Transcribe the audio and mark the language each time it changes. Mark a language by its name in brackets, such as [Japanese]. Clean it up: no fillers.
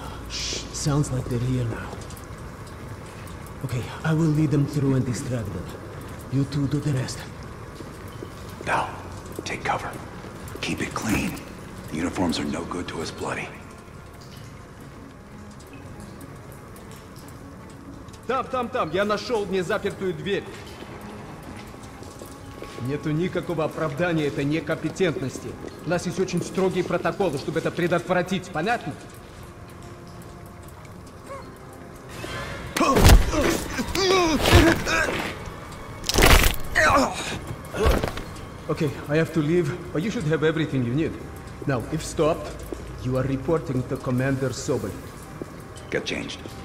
[English] Shh, sounds like they're here now. Okay, I will lead them through and distract them. You two do the rest. Now, take cover. Keep it clean. The uniforms are no good to us bloody. [Russian] Там, я нашел незапертую дверь. Нету никакого оправдания этой некомпетентности. У нас есть очень строгие протоколы, чтобы это предотвратить, понятно? [English] Okay, I have to leave, but you should have everything you need. Now, if stopped, you are reporting to Commander Sobel. Get changed.